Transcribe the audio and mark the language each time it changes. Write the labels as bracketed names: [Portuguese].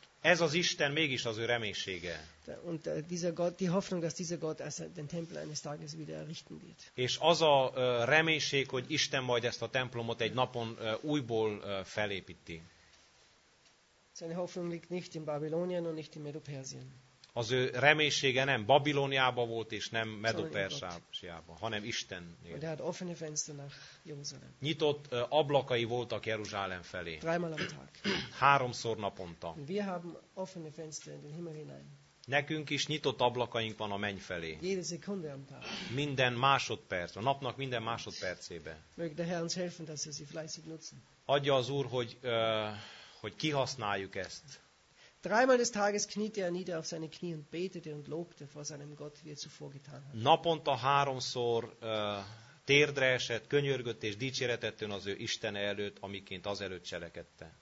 [Hungarian] Ez az Isten mégis az ő reménysége. [German] Und dieser Gott, die Hoffnung, dass dieser Gott den Tempel eines Tages wieder errichten wird. [Hungarian] És az a reménység, hogy Isten majd ezt a templomot egy napon újból felépíti. [German] Seine Hoffnung liegt nicht in Babylonien und nicht in Medo-Persien. [Hungarian] Az ő reménysége nem Babiloniában volt, és nem Medo-Persiában, hanem Istennél. [German] Und er hat offene Fenster nach Jerusalem. [Hungarian] Nyitott ablakai voltak Jeruzsálem felé. [German] Dreimal am Tag. [Hungarian] Háromszor naponta. [German] Und wir haben offene Fenster in den Himmel hinein. [Hungarian] Nekünk is nyitott ablakaink van a menny felé. [German] Jede Sekunde am Tag. [Hungarian] Minden másodperc, a napnak minden másodpercébe. [German] Möge der Herr uns helfen, dass wir sie fleißig nutzen. [Hungarian] Adja az Úr, hogy, hogy kihasználjuk ezt. [German] Dreimal des Tages kniete er nieder auf seine Knie und betete und lobte vor seinem Gott, wie er zuvor getan hat. [Hungarian] Naponta háromszor térdre esett, könyörgött és dicséretett ön az ő Isten előtt, amiként az előtt cselekedte.